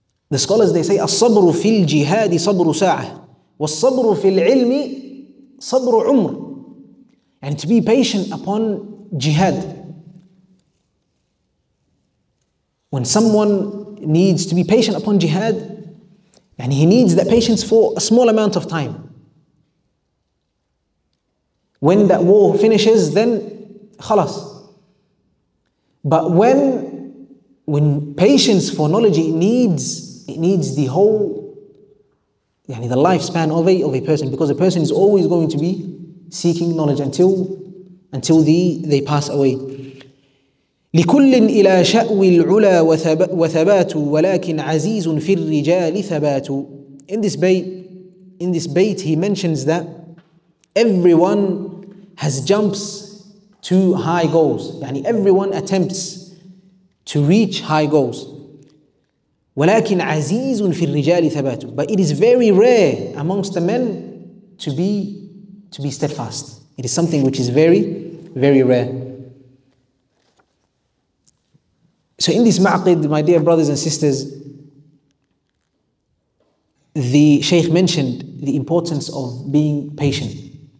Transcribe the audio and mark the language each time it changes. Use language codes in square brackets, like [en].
[en] The scholars, they say [ar] الصبر في الجهاد صبر ساعة والصبر في العلم صبر عمر, [en] and to be patient upon jihad. When someone needs to be patient upon jihad, and he needs that patience for a small amount of time. When that war finishes, then خلاص. But when patience for knowledge it needs the whole, يعني the lifespan of a person, because a person is always going to be seeking knowledge until they pass away. [ar] لكل إلى شأو العلا وثبات ولكن عزيز في الرجال ثبات. [en] In this bait he mentions that everyone has jumps to high goals. يعني everyone attempts to reach high goals. [ar] ولكن عزيز في الرجال ثبات. [en] But it is very rare amongst the men to be steadfast. It is something which is very, very rare. So in this ma'qid, my dear brothers and sisters, the Shaykh mentioned the importance of being patient.